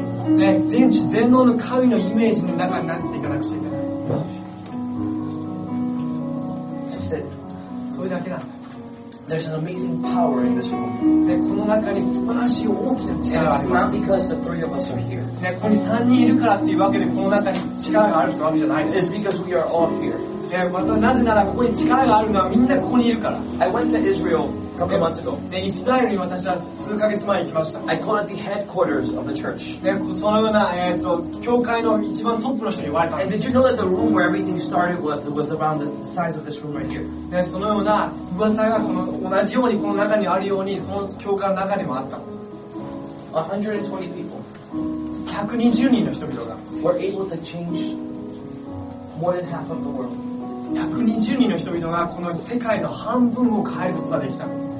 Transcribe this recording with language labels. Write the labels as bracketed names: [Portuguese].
[Japanese] ね、全知全能の神のイメージの中になっていかなくちゃいけない。 [English] That's it. [Japanese] それだけなんです。 [English] There's an amazing power in this room. [Japanese] ね、この中に素晴らしい大きな力があります。 [English] It's not because the three of us are here. [Japanese] ね、ここに3人いるからっていうわけでこの中に力があるってわけじゃないです。 [English] It's because we are all here. [Japanese] ね、またなぜならここに力があるのはみんなここにいるから。 [English] I went to Israel. Couple months ago. [Japanese] ね、イスラエルに私は数ヶ月前行きました。 [English] I call it the headquarters of the church. [Japanese] ね、そのような、教会の一番トップの人に言われた。 [English] And did you know that the room where everything started was around the size of this room right here? [Japanese] ね、そのような噂がこの同じようにこの中にあるようにその教会の中にもあったんです。 [English] 120 people. [Japanese] 120人の人々が。 [English] Were able to change more than half of the world. [Japanese] 120人の人々がこの世界の半分を変えることができたんです。